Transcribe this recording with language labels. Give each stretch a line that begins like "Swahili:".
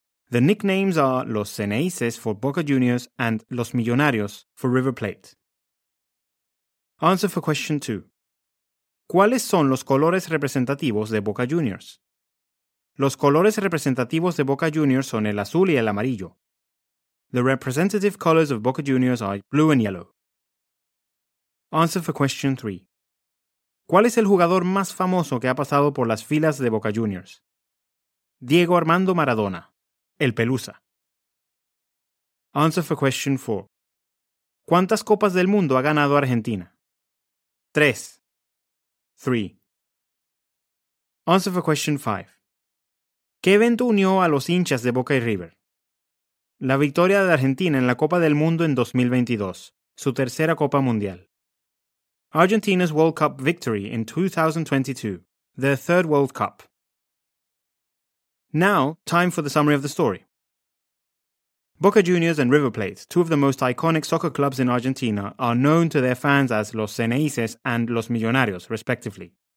English: The nicknames are los Ceneices for Boca Juniors and los Millonarios for River Plate. Answer for question 2.
Spanish: ¿Cuáles son los colores representativos de Boca Juniors? Los colores representativos de Boca Juniors son el azul y el amarillo.
English: The representative colors of Boca Juniors are blue and yellow. Answer for question 3.
Spanish: ¿Cuál es el jugador más famoso que ha pasado por las filas de Boca Juniors? Diego Armando Maradona, el Pelusa.
English: Answer for question 4.
Spanish: ¿Cuántas copas del mundo ha ganado Argentina? 3. 3.
English: Answer for question 5.
Spanish: ¿Qué evento unió a los hinchas de Boca y River? La victoria de Argentina en la Copa del Mundo en 2022, su tercera Copa Mundial.
English: Argentina's World Cup victory in 2022, their third World Cup. Now, time for the summary of the story. Boca Juniors and River Plate, two of the most iconic soccer clubs in Argentina, are known to their fans as Los Ceneices and Los Millonarios, respectively.